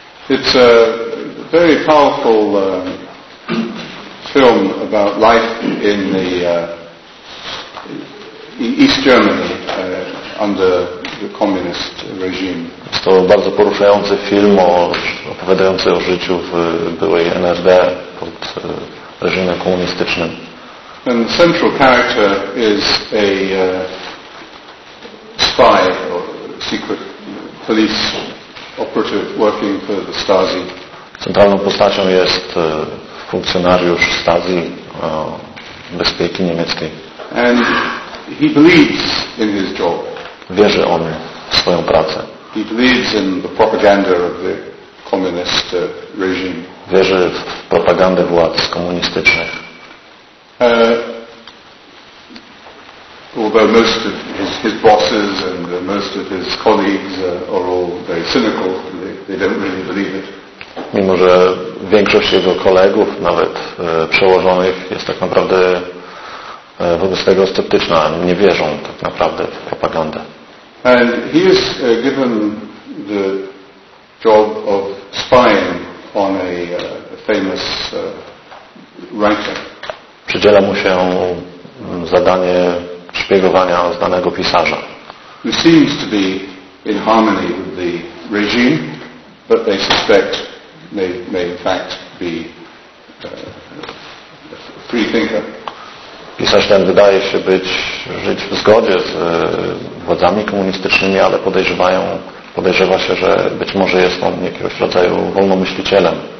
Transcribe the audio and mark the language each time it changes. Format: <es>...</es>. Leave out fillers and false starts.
<en>It's a very powerful film about life in the East Germany under the communist regime.</en> <pl>Jest to bardzo poruszający film opowiadający o życiu w byłej NRD pod reżimem komunistycznym.</pl> <en>And the central character is a spy or secret police operative working for the Stasi.</en> <pl>Centralną postacią jest funkcjonariusz Stasi bezpieki niemieckiej.</pl> <en>And he believes in his job.</en> <pl>Wierzy on w swoją pracę.</pl> <en>He believes in the propaganda of the communist regime.</en> <pl>Wierzy w propagandę władz komunistycznych.</pl> <en>Although most of his bosses and most of his colleagues are all very cynical, they don't really believe it.</en> <pl>Mimo że większość jego kolegów, nawet przełożonych, jest tak naprawdę wobec tego sceptyczna, nie wierzą tak naprawdę w propagandę.</pl> <en>And he is given the job of spying on a famous writer.</en> <pl>Przydziela mu się zadanie szpiegowania znanego pisarza.</pl> <en>He seems to be in harmony with the regime, but they suspect may in fact be a free thinker.</en> <pl>Pisarz ten wydaje się być żyć w zgodzie z władzami komunistycznymi, ale podejrzewa się, że być może jest on jakiegoś rodzaju wolnomyślicielem.</pl>